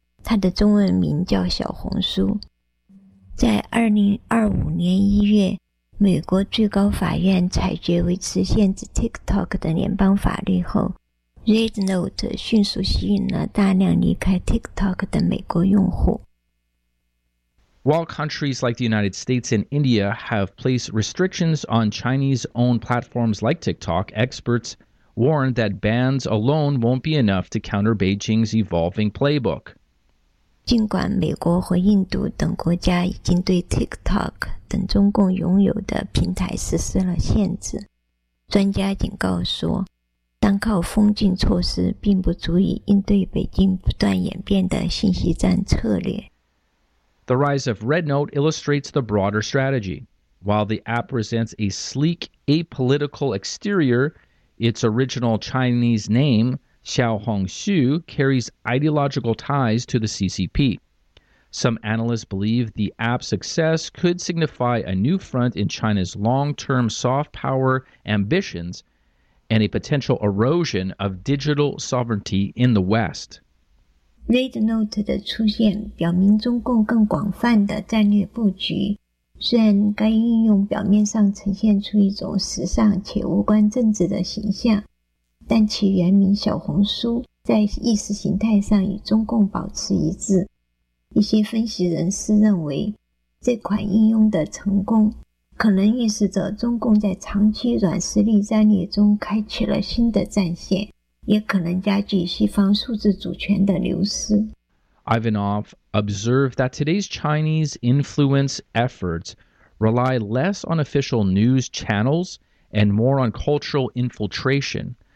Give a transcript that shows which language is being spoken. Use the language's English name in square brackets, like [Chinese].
[Chinese] 它的中文名叫小红书。在2025年1月，美国最高法院裁决维持限制 TikTok 的联邦法律后， RedNote 迅速吸引了大量离开 TikTok 的美国用户。 [English] While countries like the United States and India have placed restrictions on Chinese-owned platforms like TikTok, experts warn that bans alone won't be enough to counter Beijing's evolving playbook. [Chinese] 尽管美国和印度等国家已经对 TikTok 等中共拥有的平台实施了限制，专家警告说，单靠封禁措施并不足以应对北京不断演变的信息战策略。 [English] The rise of RedNote illustrates the broader strategy. While the app presents a sleek, apolitical exterior, its original Chinese name,Xiao Hongxu carries ideological ties to the CCP. Some analysts believe the app's success could signify a new front in China's long-term soft power ambitions and a potential erosion of digital sovereignty in the West. [Chinese] Red Note 的出现表明中共更广泛的战略布局。虽然该应用表面上呈现出一种时尚且无关政治的形象，但其原名小红书在意识形态上与中共保持一致。一些分析人士认为，这款应用的成功可能预示着中共在长期软实力战略中开启了新的战线，也可能加剧西方数字主权的流失。 [English] Ivanov observed that today's Chinese influence efforts rely less on official news channels and more on cultural infiltration.